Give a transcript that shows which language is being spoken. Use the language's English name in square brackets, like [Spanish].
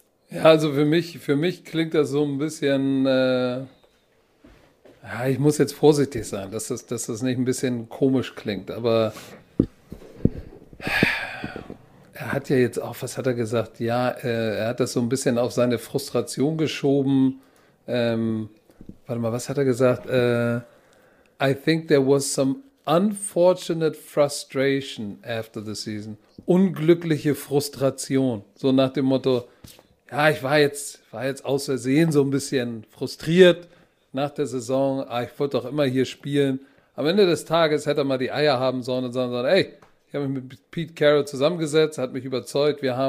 [German] Ja, also für mich klingt das so ein bisschen, ich muss jetzt vorsichtig sein, dass das nicht ein bisschen komisch klingt, aber er er hat ja jetzt auch, was hat er gesagt? Ja, er hat das so ein bisschen auf seine Frustration geschoben. Warte mal, was hat er gesagt? [English] I think there was some unfortunate frustration after the season. [German] Unglückliche Frustration. So nach dem Motto, ja, ich war jetzt aus Versehen so ein bisschen frustriert nach der Saison. Ah, ich wollte doch immer hier spielen. Am Ende des Tages hätte er mal die Eier haben sollen und sagen sollen, ey, ich habe mich mit Pete Carroll zusammengesetzt, hat mich überzeugt.